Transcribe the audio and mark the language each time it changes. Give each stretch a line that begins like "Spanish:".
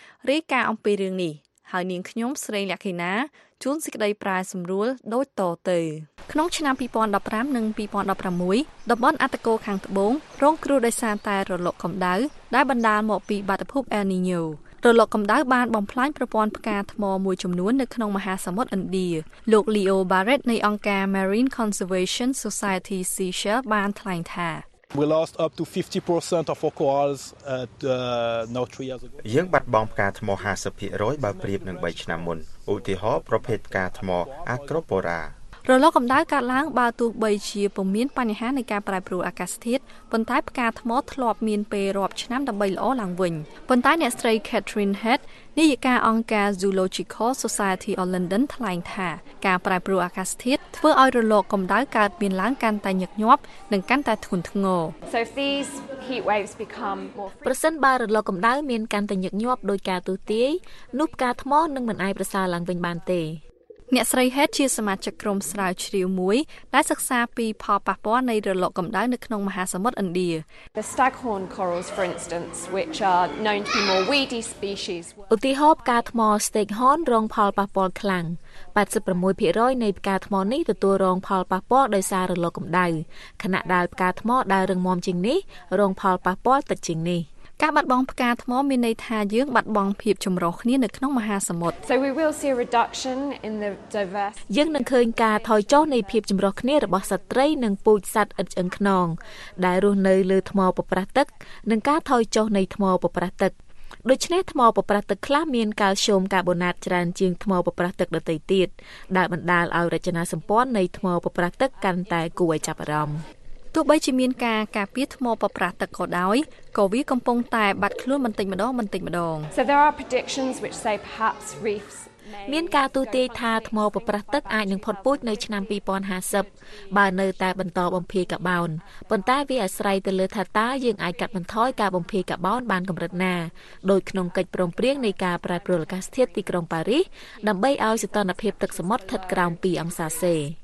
Khmer: រាយការណ៍អំពីរឿងនេះហើយនាងខ្ញុំស្រីលក្ខិណាជួនសេចក្តីប្រែសម្រួលដូចតទៅក្នុងឆ្នាំ2015និង2016តំបន់អាតកោខាងត្បូងរងគ្រោះដោយសារតែរលកកម្ដៅដែលបណ្ដាលមកពីបាតុភូតអែលនីញ៉ូរលកកម្ដៅបានបំផ្លាញប្រព័ន្ធផ្កាថ្មមួយចំនួននៅក្នុងមហាសមុទ្រឥណ្ឌាលោក Leo Barrett នៃអង្គការ Marine Conservation Society Seashell បានថ្លែងថា
English: We lost up to 50% of our corals at now 3 years ago.
Khmer: យើងបាត់បង់ផ្កាថ្ម 50% បើប្រៀបនឹង3ឆ្នាំមុនឧទាហរណ៍ប្រភេទផ្កាថ្ម Acropora. រលកកម្ដៅកើតឡើងបើទោះបីជាពុំមានបញ្ហានៃការប្រែប្រួលអាកាសធាតុប៉ុន្តែផ្កាថ្មធ្លាប់មានពេលរាប់ឆ្នាំដើម្បីល្អឡើងវិញប៉ុន្តែអ្នកស្រី Catherine Head នាយិកាអង្គការ Zoological Society of London ថ្លែងថាការប្រែប្រួលអាកាសធាតុធ្វើឲ្យរលកកម្ដៅកើតមានឡើងកាន់តែញឹកញាប់និងកាន់តែធ្ងន់ធ្ងរ
English: So if these heat waves become more frequent
Khmer: ប្រសិនបើរលកកម្ដៅមានកាន់តែញឹកញាប់ដោយការទូទាយនោះផ្កាថ្មនឹងមិនអាចប្រសើរឡើងវិញបានទេ អ្នកស្រី Head ជាសមាជិកក្រុមស្រាវជ្រាវមួយដែលសិក្សាពីផលប៉ះពាល់នៃរលកកម្ដៅនៅក្នុងមហាសមុទ្រឥណ្ឌា
English: The staghorn corals for instance which are known to be more weedy species
Khmer: ឧទាហរណ៍ផ្កាថ្ម staghorn រងផលប៉ះពាល់ខ្លាំង 86% នៃផ្កាថ្មនេះទទួលរងផលប៉ះពាល់ដោយសាររលកកម្ដៅខណៈដែលផ្កាថ្មដែលរឹងមាំជាងនេះរងផលប៉ះពាល់តិចជាងនេះ ការបាត់បង់ផ្កាថ្មមានន័យថាយើងបាត់បង់ភាពចម្រុះគ្នានៅក្នុងមហាសមុទ្រ
English: So we will see a reduction in the diversity
Khmer: យើងនឹងឃើញការថយចុះនៃភាពចម្រុះគ្នារបស់សត្រីនិងពូជសត្វឥតឆ្អឹងខ្នងដែលរស់នៅលើថ្មប្រប្រាស់ទឹកនិងការថយចុះនៃថ្មប្រប្រាស់ទឹកដូច្នេះថ្មប្រប្រាស់ទឹកខ្លះមានកាល់ស្យូមកាបូណាតច្រើនជាងថ្មប្រប្រាស់ទឹកដទៃទៀតដែលបណ្ដាលឲ្យរចនាសម្ព័ន្ធនៃថ្មប្រប្រាស់ទឹកកាន់តែគួរឲ្យចាប់អារម្មណ៍ទោះបីជាមានការការពារថ្មប្រប្រាស់ទឹកក៏ដោយក៏វាកំពុងតែបាត់ខ្លួនបន្តិចម្ដងបន្តិចម្ដង
English: So there are predictions which say perhaps reefs
Khmer: មានការទស្សន៍ទាយថាថ្មប្រប្រាស់ទឹកអាចនឹងផុតពូជនៅឆ្នាំ2050បើនៅតែបន្តបំភាយកាបូនប៉ុន្តែវាអាស្រ័យទៅលើថាតើយើងអាចកាត់បន្ថយការបំភាយកាបូនបានកម្រិតណាដោយក្នុងកិច្ចព្រមព្រៀងនៃការប្រែប្រួលអាកាសធាតុទីក្រុងប៉ារីសដើម្បីឲ្យសីតុណ្ហភាពទឹកសមុទ្រថិតក្រោម2អង្សាសេ